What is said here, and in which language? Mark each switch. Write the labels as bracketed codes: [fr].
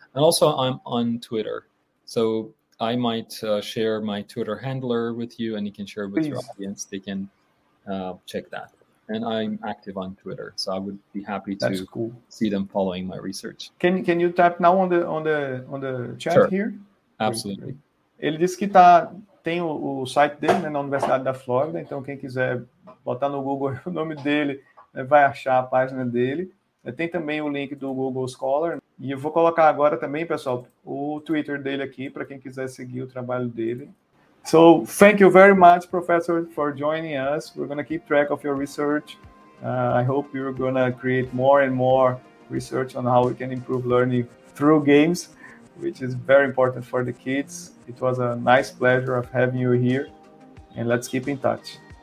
[en] And also I'm on Twitter. So I might share my Twitter handler with you, and you can share it with your audience. They can check that. And I'm active on Twitter, so I would be happy to see them following my research. Can you tap now on the chat here? Absolutely. [pt] Ele disse que tem o site dele, né, na Universidade da Flórida, então quem quiser botar no Google o nome dele, né, vai achar a página dele. Tem também o link do Google Scholar. E eu vou colocar agora também, pessoal, o Twitter dele aqui para quem quiser seguir o trabalho dele. [en] So thank you very much, Professor, for joining us. We're going to keep track of your research. I hope you're going to create more and more research on how we can improve learning through games. which is very important for the kids. It was a nice pleasure of having you here, and let's keep in touch.